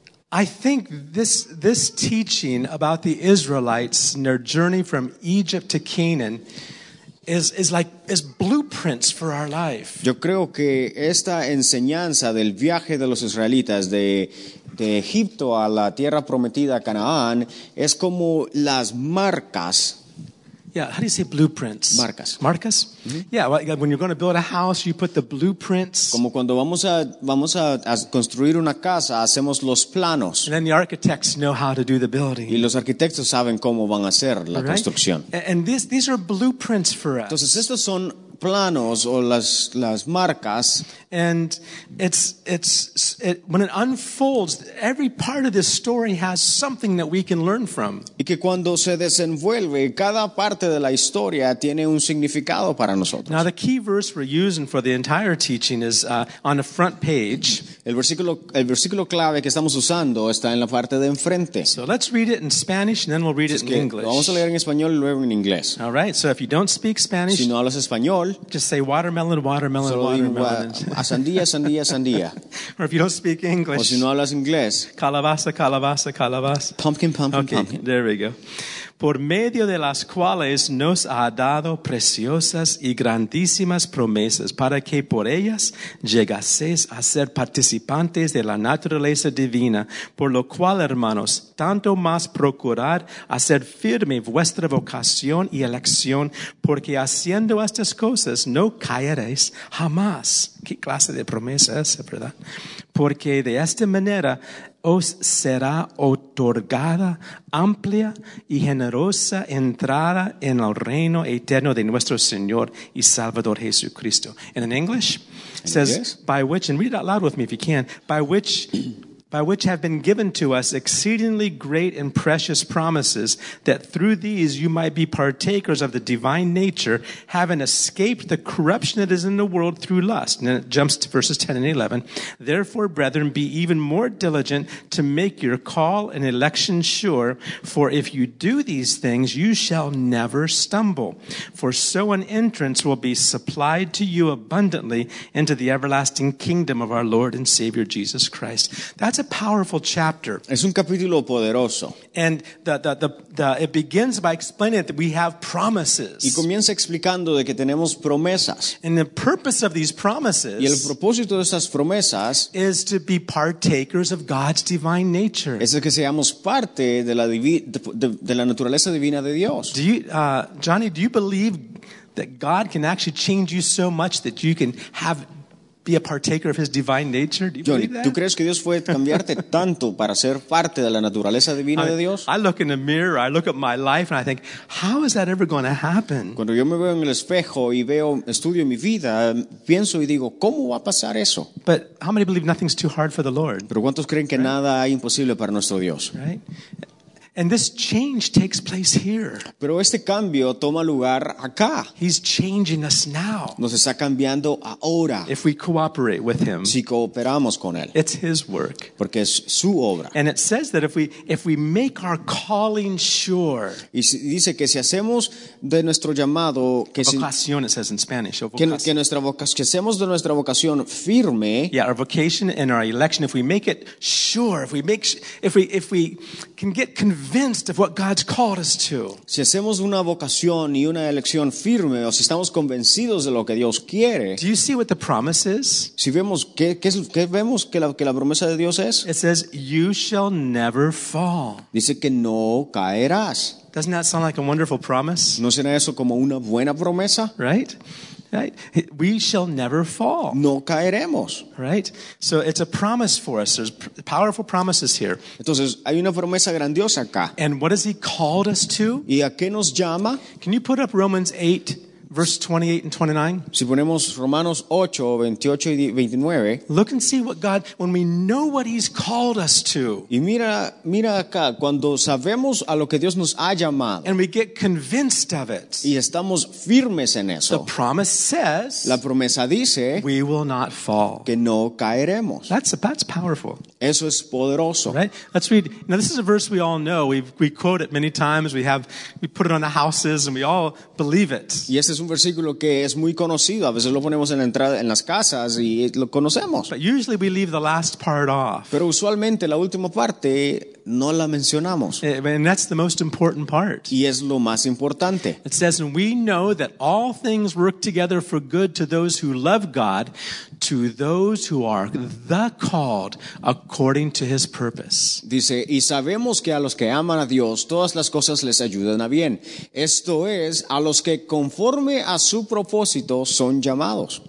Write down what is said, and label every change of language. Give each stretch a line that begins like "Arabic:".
English: I think this teaching about the Israelites and their journey from Egypt to Canaan is blueprints for our life.
Spanish: Yo creo que esta enseñanza del viaje de los israelitas de Egipto a la tierra prometida Canaán es como las marcas.
English: Yeah, how do you say blueprints?
Spanish: Marcas. Marcas? Mm-hmm.
English: Yeah, well, when you're going to build a house, you put the blueprints.
Spanish: Como cuando vamos a construir una casa, hacemos los planos.
English: And then the architects know how to do the building.
Spanish: Y los arquitectos saben cómo van a hacer la construcción.
English: And these are blueprints for us.
Spanish: Entonces estos son planos o las marcas.
English: And it's when it unfolds, every part of this story has something that we can learn from.
Spanish: Y que cuando se desenvuelve, cada parte de la historia tiene un significado para nosotros.
English: Now the key verse we're using for the entire teaching is on the front page.
Spanish: El versículo clave que estamos usando está en la parte de enfrente.
English: So let's read it in Spanish and then we'll read it in English.
Spanish: Vamos a leer en español y luego en inglés.
English: All right. So if you don't speak Spanish,
Spanish: si no hablas español,
English: just say watermelon, watermelon, watermelon.
Spanish: A sandía, sandía, sandía.
English: Or if you don't speak English.
Spanish: O si no hablas inglés. Calabaza, calabaza, calabaza.
English: Pumpkin, pumpkin, okay, pumpkin. There we go.
Spanish: Por medio de las cuales nos ha dado preciosas y grandísimas promesas para que por ellas llegaseis a ser participantes de la naturaleza divina. Por lo cual, hermanos, tanto más procurad hacer firme vuestra vocación y elección, porque haciendo estas cosas no caeréis jamás. ¿Qué clase de promesa es, verdad? Porque de esta manera os será otorgada amplia y generosa entrada en el reino eterno de nuestro Señor y Salvador Jesucristo.
English: And in English, it says, by which, and read it out loud with me if you can, by which have been given to us exceedingly great and precious promises, that through these you might be partakers of the divine nature, having escaped the corruption that is in the world through lust. And then it jumps to verses 10 and 11. Therefore, brethren, be even more diligent to make your call and election sure, for if you do these things, you shall never stumble. For so an entrance will be supplied to you abundantly into the everlasting kingdom of our Lord and Savior Jesus Christ. That's a powerful chapter.
Spanish: Es un capítulo poderoso.
English: And the it begins by explaining that we have promises.
Spanish: Y comienza explicando de que tenemos promesas.
English: And the purpose of these promises,
Spanish: y el propósito de esas promesas,
English: is to be partakers of God's divine nature.
Spanish: Es que seamos parte de la naturaleza divina de Dios.
English: Do you, Johnny, do you believe that God can actually change you so much that you can have be a partaker of his divine nature? Do you believe that?
Spanish: ¿Tú crees que Dios fue cambiarte tanto para ser parte de la naturaleza divina de Dios?
English: I look in the mirror, I look at my life, and I think, how is that ever going to happen?
Spanish: Cuando yo me veo en el espejo y veo, estudio mi vida, pienso y digo, ¿cómo va a pasar eso?
English: But how many believe nothing's too hard for the Lord?
Spanish: Pero ¿cuántos creen que nada es imposible para nuestro Dios?
English: Right? And this change takes place here.
Spanish: Pero este cambio toma lugar acá.
English: He's changing us now.
Spanish: Nos está cambiando ahora.
English: If we cooperate with him.
Spanish: Si cooperamos con él.
English: It's his work.
Spanish: Porque es su obra.
English: And it says that if we make our calling sure.
Spanish: Y dice que si hacemos de nuestro llamado que
English: vocación, it says in Spanish.
Spanish: Que hacemos de nuestra vocación firme.
English: Yeah, our vocation and our election, if we make it sure, if we can get convinced of what God's called us to.
Spanish: Si hacemos una vocación y una elección firme, o si estamos convencidos de lo que Dios quiere.
English: Do you see what the promise is?
Spanish: Si vemos qué vemos que la promesa de Dios es.
English: It says, "You shall never fall."
Spanish: Dice que no caerás.
English: Doesn't that sound like a wonderful promise?
Spanish: ¿No suena eso como una buena promesa?
English: Right. Right, we shall never fall.
Spanish: No caeremos.
English: Right, so it's a promise for us. There's powerful promises here.
Spanish: Entonces hay una promesa grandiosa acá.
English: And what has He called us to?
Spanish: ¿Y a qué nos llama?
English: Can you put up Romans 8, verse 28 and 29?
Spanish: Si ponemos Romanos 8, 28 y 29.
English: Look and see what God, when we know what He's called us to.
Spanish: Y mira acá cuando sabemos a lo que Dios nos ha llamado.
English: And we get convinced of it.
Spanish: Y estamos firmes en eso.
English: The promise says.
Spanish: La promesa dice.
English: We will not fall.
Spanish: Que no caeremos.
English: That's powerful.
Spanish: Eso es poderoso.
English: Right? Let's read. Now this is a verse we all know. We quote it many times. We put it on the houses, and we all believe it.
Spanish: Este es un versículo que es muy conocido. A veces lo ponemos en la entrada en las casas y lo conocemos.
English: But usually we leave the last part off.
Spanish: Pero usualmente la última parte no la mencionamos.
English: And that's the most important part.
Spanish: Y es lo más importante.
English: It says, "And we know that all things work together for good to those who love God, to those who are the called according to His purpose."
Spanish: Dice, y sabemos que a los que aman a Dios, todas las cosas les ayudan a bien. Esto es, a los que conforme a su propósito son llamados.